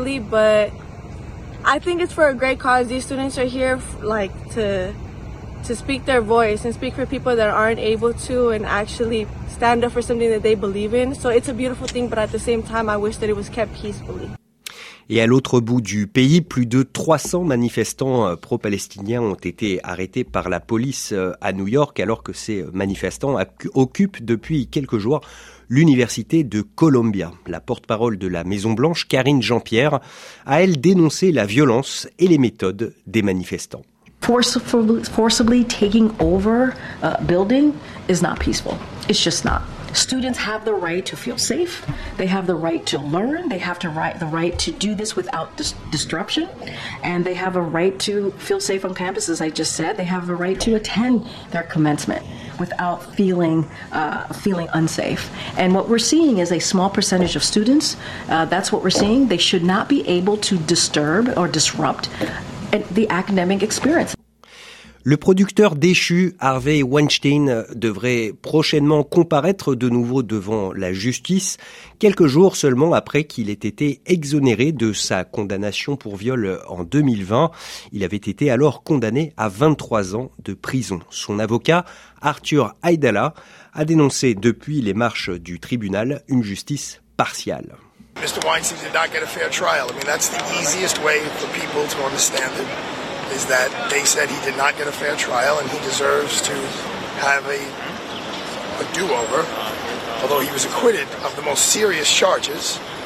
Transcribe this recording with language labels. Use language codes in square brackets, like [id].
[en] But I think it's for a great cause. These students are here like to speak their voice and speak for people that aren't able to and actually stand up for something that they believe in. So it's a beautiful thing, but at the same time, I wish that it was kept peacefully. [fr] Et à l'autre bout du pays, plus de 300 manifestants pro-palestiniens ont été arrêtés par la police à New York, alors que ces manifestants occupent depuis quelques jours l'université de Columbia. La porte-parole de la Maison-Blanche, Karine Jean-Pierre, a elle dénoncé la violence et les méthodes des manifestants. [en] Forcibly taking over a building is not peaceful. It's just not. Students have the right to feel safe. They have the right to learn. They have the right to do this without disruption. And they have a right to feel safe on campus, as I just said. They have a right to attend their commencement without feeling unsafe. And what we're seeing is a small percentage of students. That's what we're seeing. They should not be able to disturb or disrupt the academic experience. [fr] Le producteur déchu Harvey Weinstein devrait prochainement comparaître de nouveau devant la justice, quelques jours seulement après qu'il ait été exonéré de sa condamnation pour viol en 2020. Il avait été alors condamné à 23 ans de prison. Son avocat, Arthur Aidala, a dénoncé depuis les marches du tribunal une justice partiale. [en] Mr. Weinstein did not get a fair trial. I mean, that's the easiest way for people to understand it. Is that they said he did not get a fair trial and he deserves to have a do-over, although he was acquitted of the most serious charges.